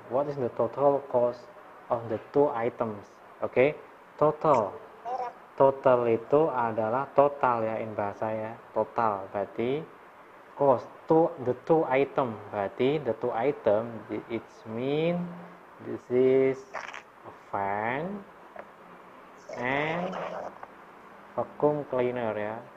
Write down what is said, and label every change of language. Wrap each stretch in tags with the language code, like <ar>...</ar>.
<en>What is the total cost of the two items? Okay, total.</en> <id>Total itu adalah total ya,</id> <en>in bahasa</en> <id>ya.</id> <en>Total berarti cost to the two item.</en> <id>Berarti</id> <en>the two item, it means this is a fan and vacuum cleaner ya.</en>